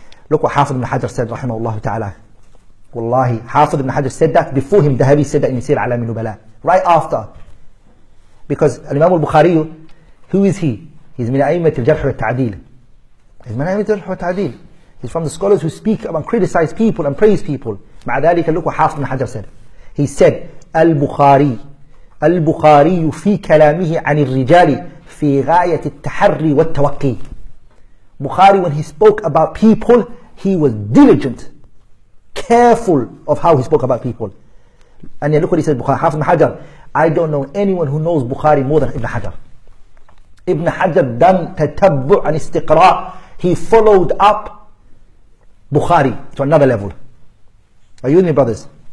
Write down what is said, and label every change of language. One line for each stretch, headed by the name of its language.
English: Look what Hafidh ibn Hajar said, rahimahullah ta'ala. Wallahi, Hafidh ibn Hajar said that before him, Dahabi said that in Sir Alam al-Nubala. Right after. Because Imam al-Bukhari, who is he? He's min a'immat al-jarh wa al-ta'dil. He's from the scholars who speak and criticize people and praise people.
Arabic: مع ذلك
English: look what Hafiz ibn Hajar said. He said,
Arabic: Al-Bukhari في كلامه عن الرجال في غاية التحري والتوقي.
English: Bukhari, when he spoke about people, he was diligent, careful of how he spoke about people. And look what he said, Bukhari, Hafiz ibn Hajar, I don't know anyone who knows Bukhari more than Ibn Hajar. Ibn Hajar done tatabbu and istiqra. He followed up Bukhari to another level. Are you with me, brothers?